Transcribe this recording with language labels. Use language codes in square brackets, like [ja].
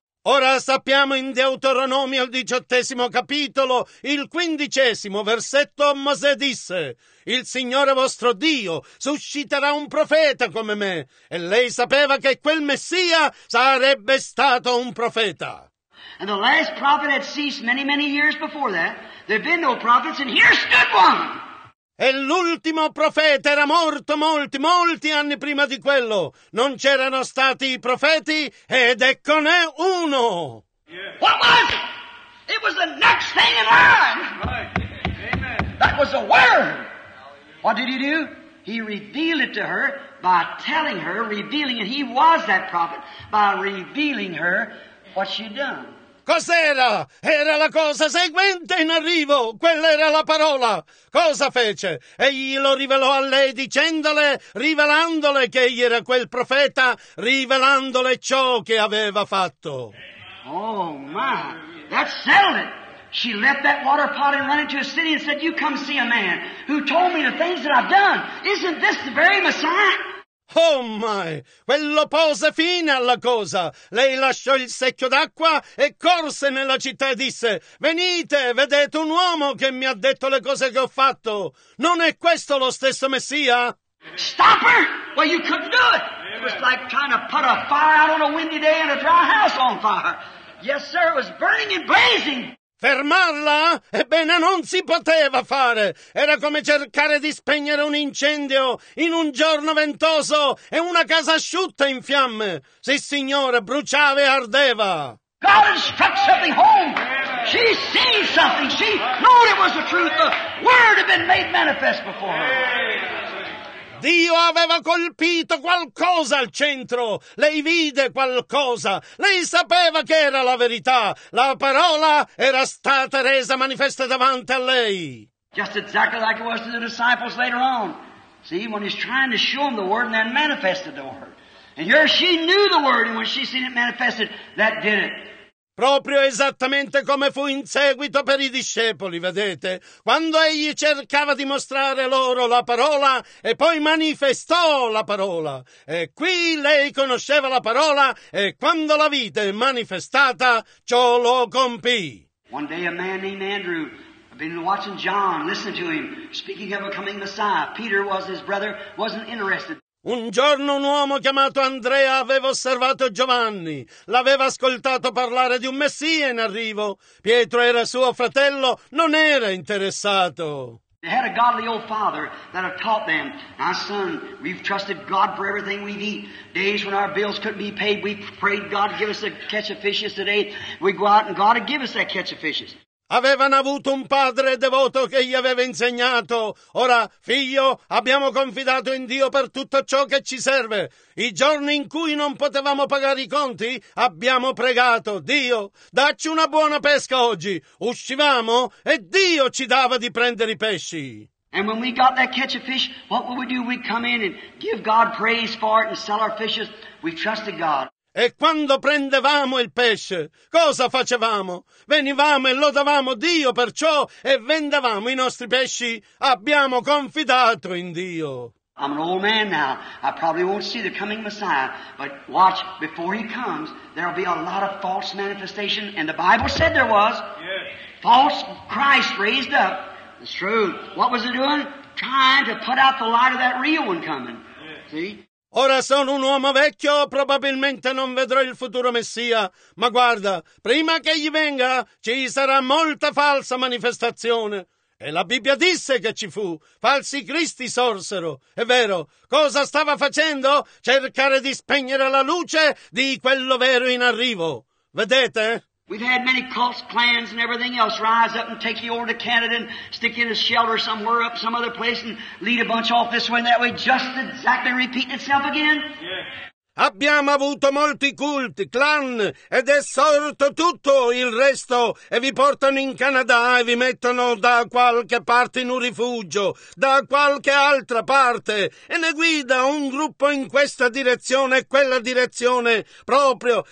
[it] Ora sappiamo in Deuteronomio il 18 capitolo, il 15 versetto, Mosè disse, il Signore vostro Dio susciterà un profeta come me. E lei sapeva che quel Messia sarebbe stato un profeta. [en] And the last prophet had ceased many, many years before that. There'd been no prophets, and here stood one! [it] E l'ultimo profeta era morto molti, molti anni prima di quello. Non c'erano stati i profeti, ed eccone uno! [en] Yes. What was it? It was the next thing in line! Right. Amen. That was the word! What did he do? He revealed it to her by telling her, revealing it. He was that prophet, by revealing her what she'd done. [it] Cos'era? Era la cosa seguente in arrivo. Quella era la parola. Cosa fece? Egli lo rivelò a lei dicendole, rivelandole che egli era quel profeta, rivelandole ciò che aveva fatto. [en] Oh, my. That settled it. She left that water pot and ran into a city and said, you come see a man who told me the things that I've done. Isn't this the very Messiah? Oh my! [it] Quello pose fine alla cosa. Lei lasciò il secchio d'acqua e corse nella città e disse, venite, vedete un uomo che mi ha detto le cose che ho fatto. Non è questo lo stesso Messia? [en] Stop her! Well, you couldn't do it! It was like trying to put a fire out on a windy day and a dry house on fire. Yes, sir, it was burning and blazing! [it] Fermarla? Ebbene, non si poteva fare. Era come cercare di spegnere un incendio in un giorno ventoso e una casa asciutta in fiamme. Sì, signore, bruciava e ardeva. [en] God struck something home. She seen something. She knew it was the truth. The word had been made manifest before her. [it] Dio aveva colpito qualcosa al centro. Lei vide qualcosa. Lei sapeva che era la verità. La parola era stata resa manifesta davanti a lei. [en] Just exactly like it was to the disciples later on. See, when he's trying to show them the word and then manifested to her. And here she knew the word and when she seen it manifested, that did it. [it] Proprio esattamente come fu in seguito per i discepoli, vedete? Quando egli cercava di mostrare loro la parola e poi manifestò la parola. E qui lei conosceva la parola e quando la vide manifestata, ciò lo compì. [en] One day a man named Andrew had been watching John, listening to him, speaking of a coming Messiah. Peter was his brother, wasn't interested. [it] Un giorno un uomo chiamato Andrea aveva osservato Giovanni, l'aveva ascoltato parlare di un Messia in arrivo. Pietro era suo fratello, non era interessato. [en] They had a godly old father that had taught them, my son, we've trusted God for everything we eat. Days when our bills couldn't be paid, we prayed God to give us a catch of fishes today. We go out and God would give us that catch of fishes. [it] Avevano avuto un padre devoto che gli aveva insegnato. Ora, figlio, abbiamo confidato in Dio per tutto ciò che ci serve. I giorni in cui non potevamo pagare i conti, abbiamo pregato. Dio, dacci una buona pesca oggi. Uscivamo e Dio ci dava di prendere i pesci. [en] And when we got that catch of fish, what would we do? We'd come in and give God praise for it and sell our fishes. We trusted God. [it] E quando prendevamo il pesce, cosa facevamo? Venivamo e lodavamo Dio per ciò e vendevamo i nostri pesci. Abbiamo confidato in Dio. [en] I'm an old man now. I probably won't see the coming Messiah. But watch, before he comes, there'll be a lot of false manifestation. And the Bible said there was. Yes. False Christ raised up. It's true. What was it doing? Trying to put out the light of that real one coming. Yes. See? [it] Ora sono un uomo vecchio, probabilmente non vedrò il futuro Messia, ma guarda, prima che gli venga ci sarà molta falsa manifestazione. E la Bibbia disse che ci fu, falsi cristi sorsero. È vero, cosa stava facendo? Cercare di spegnere la luce di quello vero in arrivo. Vedete? [en] We've had many cults, clans and everything else rise up and take you over to Canada and stick you in a shelter somewhere up some other place and lead a bunch off this way and that way, just exactly repeating itself again. Yeah. [it] Abbiamo avuto molti culti, clan, ed è sorto tutto il resto, e vi portano in Canada e vi mettono da qualche parte in un rifugio, da qualche altra parte, e ne guida un gruppo in questa direzione e quella direzione proprio.